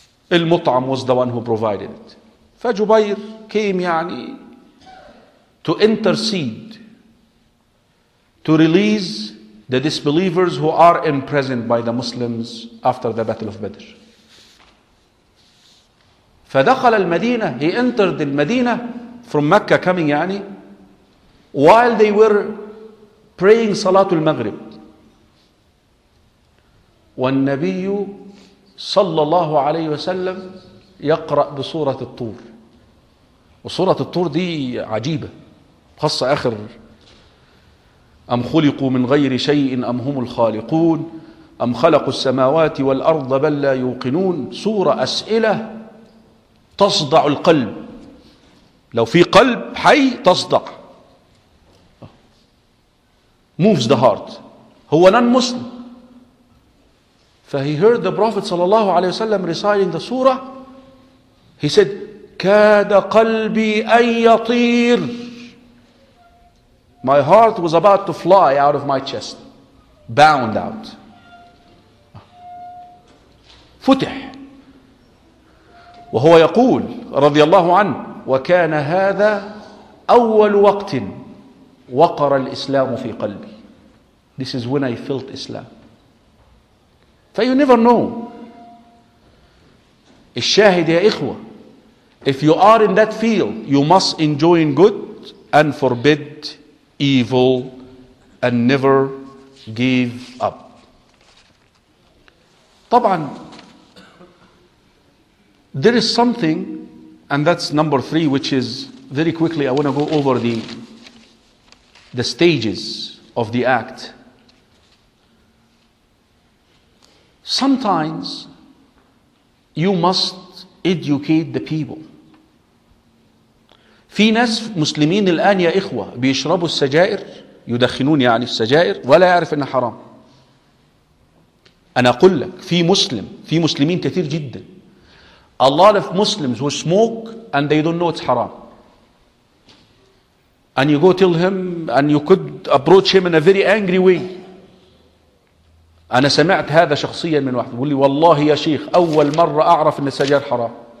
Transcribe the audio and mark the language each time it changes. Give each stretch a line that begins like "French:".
English: Al-Mut'am was the one who provided it. Fajubayr came يعني to intercede to release the disbelievers who are imprisoned by the Muslims after the Battle of Badr.
Arabic: فدخل المدينة,
English: he entered the Medina from Mecca coming يعني, while they were praying صلاة المغرب.
Arabic: والنبي صلى الله عليه وسلم يقرأ بسورة الطور. وسورة الطور دي عجيبة, خاصة آخر أم خلقوا من غير شيء أم هم الخالقون أم خلقوا السماوات والأرض بل لا يوقنون. سورة أسئلة تصدع القلب, لو في قلب حي تصدع.
English: Moves the heart.
Arabic: هو نان مسلم.
English: فهي heard the Prophet صلى الله عليه وسلم reciting the surah. He said
Arabic: كاد قلبي أن يطير.
English: My heart was about to fly out of my chest. Bound out.
Arabic: فتح. وهو يقول رضي الله عنه وكان هذا أول وقت وقر الإسلام في قلبي.
English: This is when I felt Islam. So you never know.
Arabic: الشاهد يا إخوة,
English: if you are in that field, you must enjoy good and forbid evil and never give up. طبعا there is something, and that's number three, which is very quickly I want to go over the stages of the act. Sometimes you must educate the people.
Arabic: في ناس مسلمين الآن يا إخوة بيشربوا السجائر, يدخنون يعني السجائر, ولا يعرف أنها حرام. أنا أقول لك في مسلم, في مسلمين كثير جدا,
English: a lot of Muslims who smoke and they don't know it's حرام. And you go tell him and you could approach him in a very angry way.
Arabic: أنا سمعت هذا شخصيا من واحد يقول لي والله يا شيخ أول مرة أعرف أن السجائر حرام.